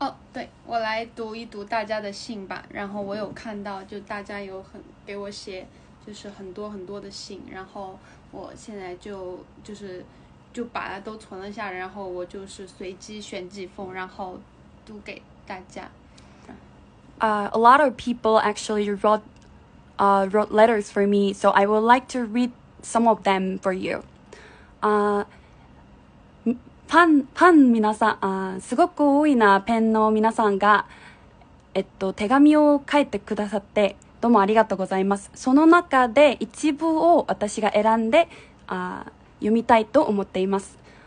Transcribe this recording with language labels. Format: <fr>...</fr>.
<zh>对，我来读一读大家的信吧。然后我有看到就大家有很给我写就是很多很多的信，然后我现在就把它都存了下，然后我就是随机选几封然后读给大家。</zh> <en>A lot of people actually wrote letters for me, so I would like to read some of them for you.</en> <ja>ファン皆さん、すごく多いなペンの皆さんが、手紙を書いてくださってどうもありがとうございます。その中で一部を私が選んで読みたいと思っています。</ja>